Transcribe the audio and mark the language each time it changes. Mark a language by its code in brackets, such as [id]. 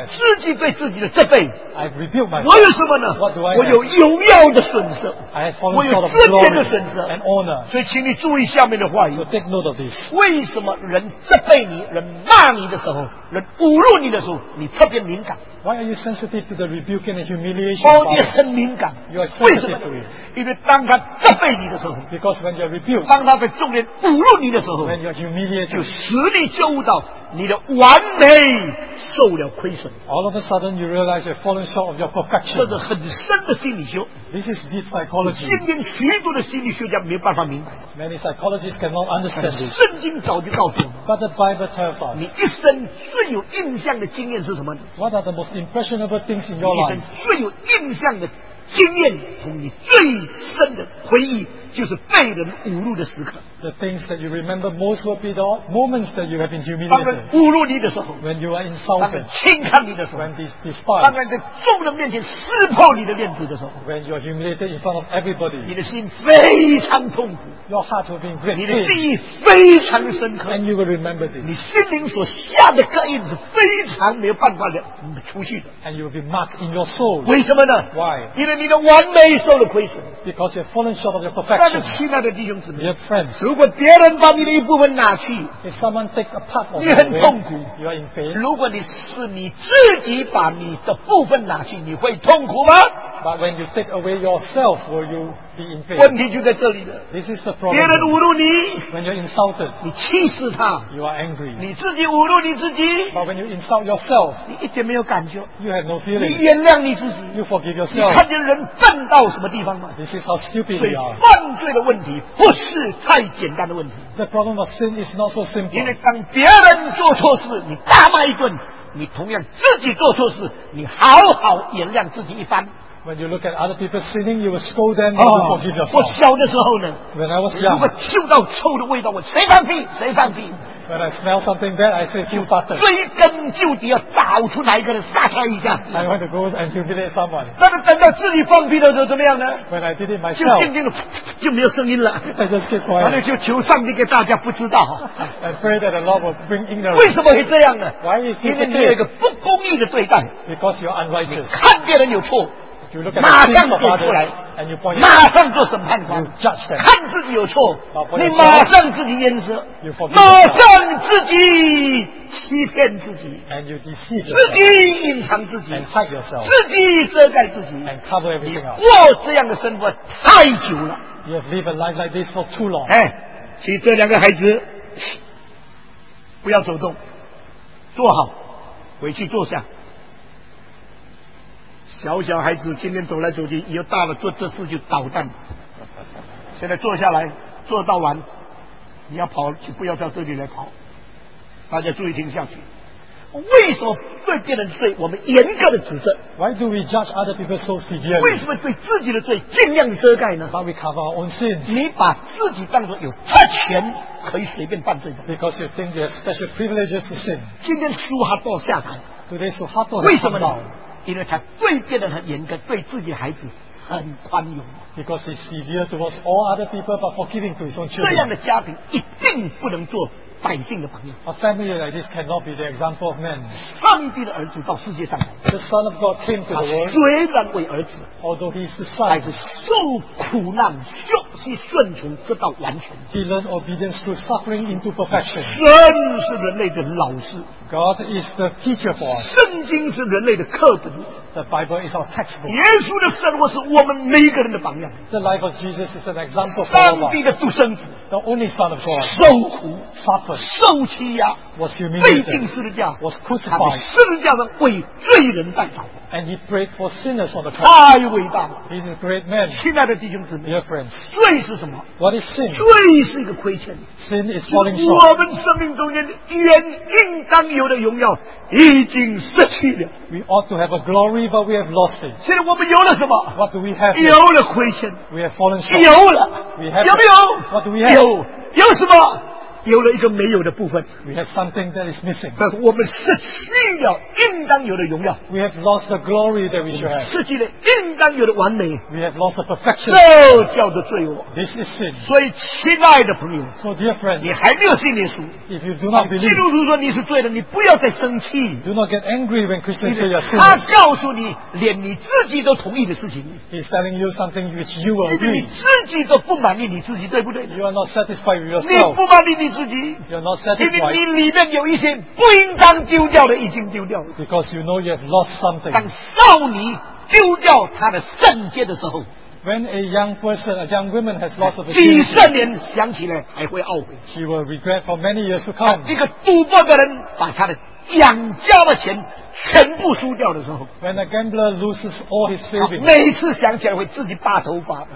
[zh] 有自己对自己的责备。 [en] I rebuke myself. [zh] 我有什么呢？ [en] What do I have? [zh] 我有荣耀的损失。 [en] I have fallen short of glory. [zh] 我有尊严的损失。 [en] And honor. [zh] 所以请你注意下面的话语。 [en] So take note of this. [zh] 为什么人责备你，人骂你的时候，人侮辱你的时候，你特别敏感？ [en] Why are you sensitive to the rebuke and the humiliation? [zh] 你很敏感。 [en] You are sensitive to it. [zh] 因为当他责备你的时候 [en] ，Because when you are rebuked, [zh] 当他被众人侮辱你的时候 [en] ，When you are humiliated, [zh] 就使你就到你的完美受了亏损。 [en] All of a sudden, you realize you've fallen short of your perfection. [zh] 这是很深的心理学。 [en] This is deep psychology. [zh] 今天许多的心理学家没有办法明白。 [en] Many psychologists cannot understand this. [zh] 圣经早就告诉我们。 [en] But the Bible tells us. [zh] 你一生最有印象的经验是什么 [en] ？What are the most impressionable things in your life? [zh] 你一生最有印象的经验和你最深的回忆。就是被人侮辱的时刻。 [en] The things that you remember most will be the moments that you have been humiliated. [zh] 当人侮辱你的时候 [en] ，when you are insulted. [zh] 当人轻看你的时候 [en] ，when they despise. [zh] 当人在众人面前撕破你的面子的时候 [en] ，when you are humiliated in front of everybody. [zh] 你的心非常痛苦 [en] ，your heart will be great. [zh] 你的记忆非常深刻 [en] ，and you will remember this. [zh] 你心灵所下的刻印是非常没有办法的出去的 [en] ，and you will be marked in your soul. [zh] 为什么呢 [en] ？Why? [zh] 因为你的完美受了亏损 [en] ，because you have fallen short of your perfection. [zh] 但是亲爱的弟兄姊妹 [en] Dear friends, [zh] 如果别人把你的一部分拿去 [en] If someone take a part of [zh] 你很痛苦 [en] you are in pain, [zh] 如果你是你自己把你的部分拿去你会痛苦吗 [en] But when you take away yourself, will you be in pain? [zh] 问题就在这里了 [en] This is the problem. [zh] 别人侮辱你 [en] when you're insulted, [zh] 你气死他 [en] you are angry. [zh] 你自己侮辱你自己 [en] But when you insult yourself, [zh] 你一点没有感觉 [en] you have no feeling. [zh] 你原谅你自己 [en] you forgive yourself. [zh] 你看见人笨到什么地方吗 [en] This is how stupid we are. [zh] 犯罪的问题不是太简单的问题。 [en] The problem of sin is not so simple. [zh] 因为当别人做错事，你大骂一顿，你同样自己做错事，你好好原谅自己一番。 [en] When you look at other people sinning, you will scold them and you forgive yourself. [zh] 我小的时候呢 [en] ，When I was young, [zh] 如果嗅到臭的味道，我谁放屁谁放屁。 [en] When I smell something bad, I say, "You bastard!" [zh] 追根究底要找出哪一个人杀他一下。 [en] I want to go and humiliate someone. [zh] 但是等到自己放屁的时候怎么样呢 [en] ？When I did it myself, [zh] 就静静的就没有声音了。 [en] I just keep quiet. [zh] 然后就求上帝给大家不知道。 [en] I pray that the Lord will bring ignorance. [zh] 为什么会这样呢 [en] ？Why is this? [zh] 因为你有一个不公义的对待。 [en] Because you're unrighteous. [zh] 你看别人有错。 [en] You look at [zh] 马上走出来 [en] and you point [zh] 马上做审判官 [en] you judge them. [zh] 看自己有错 [en] yourself, [zh] 你马上自己掩饰 [en] you forgive [zh] 马上自己欺骗自己 [en] and you deceive yourself, [zh] 自己隐藏自己 [en] and hide yourself, [zh] 自己遮盖自己 [en] and cover everything else. [zh] 你过这样的生活太久了 [en] you have lived a life like this for too long. [zh] 请这两个孩子不要走动坐好回去坐下小小孩子今天走来走去以后大了做这事就捣蛋现在坐下来坐到完你要跑就不要到这里来跑大家注意听下去为什么对别人的罪我们严格的指责 [en] Why do we judge other people so severely? [zh] 为什么对自己的罪尽量遮盖呢 [en] But we cover our own sins [zh] 你把自己当作有特权可以随便犯罪吗 [en] Because you think you have special privileges to sin [zh] 今天苏哈多下台 [en] Today苏哈多 [zh] 为什么呢因为他对别人很严格，对自己的孩子很宽容。 [en] Because he's severe towards all other people, but forgiving to his own children. [zh] 这样的家庭一定不能做百姓的榜样。 [en] A family like this cannot be the example of men. [zh] 上帝的儿子到世界上来。 [en] The Son of God came to the world. [zh] 虽然为儿子 [en] ，although he's the son, [zh] 还是受苦难、受乎顺从直到完全。 [en] He learned obedience through suffering into perfection. [zh] 神是人类的老师。 [en] God is the teacher for us. [zh] 圣经是人类的课本。 [en] The Bible is our textbook. [zh] 耶稣的生活是我们每一个人的榜样。 [en] The life of Jesus is an example for us. [zh] 上帝的独生子。 [en] The only Son of God. [zh] 受苦。 [en] Suffered. [zh] 受欺压。 [en] Was humiliated. [zh] 被钉十字架。 [en] Was crucified. [zh] 十字架上为罪人代祷。 [en] And he prayed for sinners on the cross. [zh] 太伟大了。 [en] He's a great man. [zh] 亲爱的弟兄姊妹。 [en] Dear friends. [zh] 罪是什么？ [en] What is sin? [zh] 罪是一个亏欠。 [en] Sin is falling short. [zh] 我们生命中间原应当有的荣耀已经失去了。 [en] We ought to have a glory, but we have lost it. [zh] 现在我们有了什么？ [en] What do we have? [zh] 有了亏欠。 [en] We have fallen short. [zh] 有了。 [en] We have. [zh] 有没有？ [en] What do we have? [zh] 有。有什么？有了一个没有的部分。 [en] We have something that is missing. [zh] 但我们失去了应当有的荣耀。 [en] We have lost the glory that we should have. [zh] 失去了应当有的完美。 [en] We have lost the perfection. [zh] 这叫做罪恶。 [en] This is sin. [zh] 所以，亲爱的朋友， [en] so dear friend, [zh] 你还没有信耶稣。 [en] If you do not believe, [zh] 基督徒说你是罪的，你不要再生气。 [en] Do not get angry when Christians say you are sinners. [zh] 他告诉你，连你自己都同意的事情。 [en] He's telling you something which you agree. [zh] 你自己都不满意你自己，对不对？ [en] You are not satisfied with yourself. [zh] 你不满意你自己。 [en] You're not satisfied. [zh] 因为你里面有一些不应当丢掉的已经丢掉了。 [en] Because you know you have lost something. [zh] 当少女丢掉她的圣洁的时候， [en] When a young person, a young woman has lost of her purity, [zh] 几十年想起来还会懊悔。 [en] She will regret for many years to come. [zh] 一个赌博的人把她的养家的钱全部输掉的时候， [en] When a gambler loses all his savings, [zh] 每一次想起来会自己拔头发。